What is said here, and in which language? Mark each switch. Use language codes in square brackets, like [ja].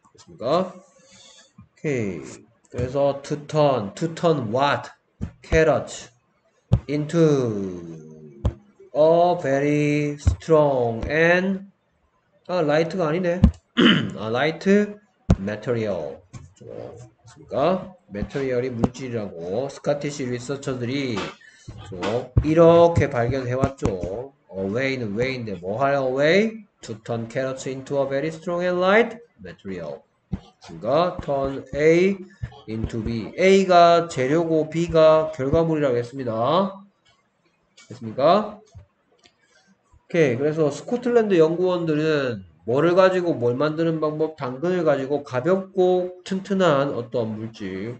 [ko] 됐습니까? 오케이. 그래서 [en] to turn what carrots into a very strong and [ko] 아 라이트가 아니네. [en] A light material. [ko] 좋습니까? 매테리얼이 물질이라고 스카티시 리서처들이 이렇게 발견해왔죠. Away는 way인데 뭐 하려 away? [en] To turn carrots into a very strong and light material. [ko] 그러니까 [en] turn A into B. [ko] A가 재료고 B가 결과물이라고 했습니다. 됐습니까? 오케이. 그래서 스코틀랜드 연구원들은 뭐를 가지고 뭘 만드는 방법? 당근을 가지고 가볍고 튼튼한 어떤 물질.